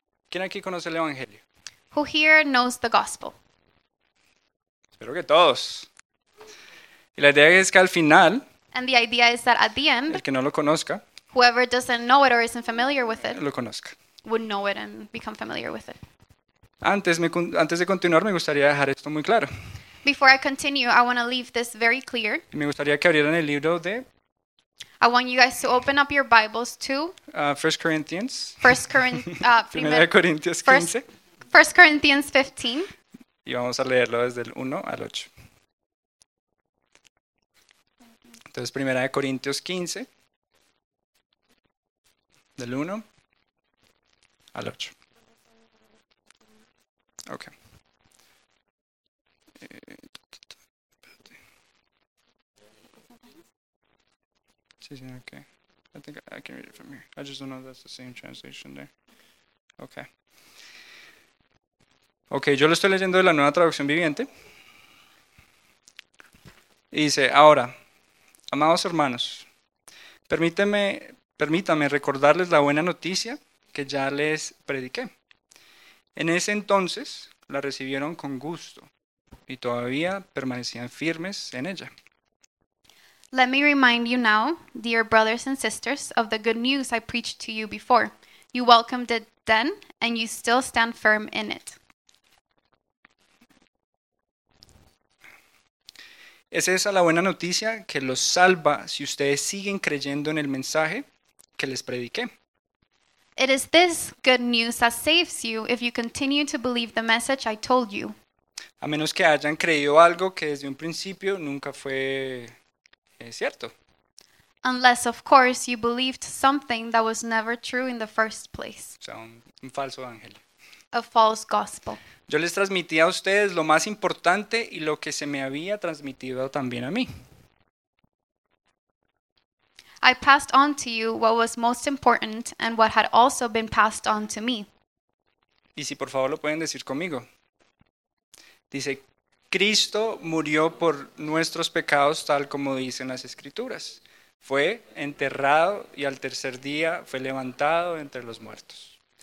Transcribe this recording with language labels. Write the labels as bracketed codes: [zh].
[es] ¿Quién aquí conoce el Evangelio? [en] Who here knows the gospel? [es] Espero que todos. Y la idea es que al final. [en] And the idea is that at the end. [es] El que no lo conozca. [en] Whoever doesn't know it or isn't familiar with it. [es] Lo conozca. [en] Would know it and become familiar with it. [es] Antes de continuar me gustaría dejar esto muy claro. [en] Before I continue, I want to leave this very clear. [es] Y me gustaría que abrieran el libro de. [en] I want you guys to open up your Bibles to 1 Corinthians. 1 Corinthians 15. [es] Y vamos a leerlo desde el 1 al 8. Entonces, 1 Corintios 15, del 1 al 8. [en] Okay. Okay. I think I can read it from here. I just don't know if that's the same translation there. Okay. [es] Okay, yo lo estoy leyendo de la Nueva Traducción Viviente. Y dice, ahora, amados hermanos, permítame recordarles la buena noticia que ya les prediqué. En ese entonces la recibieron con gusto y todavía permanecían firmes en ella. [en] Let me remind you now, dear brothers and sisters, of the good news I preached to you before. You welcomed it then, and you still stand firm in it. [es] Es esa la buena noticia que los salva si ustedes siguen creyendo en el mensaje que les prediqué. [en] It is this good news that saves you if you continue to believe the message I told you. [es] A menos que hayan creído algo que desde un principio nunca fue. Es cierto. [en] Unless, of course, you believed something that was never true in the first place. [es] O sea, un falso evangelio. [en] A false gospel. [es] Yo les transmití a ustedes lo más importante y lo que se me había transmitido también a mí. [en] I passed on to you what was most important and what had also been passed on to me. [es] Y si por favor lo pueden decir conmigo. Dice, Cristo murió por nuestros pecados tal como dicen las Escrituras. Fue enterrado y al tercer día fue levantado entre los muertos.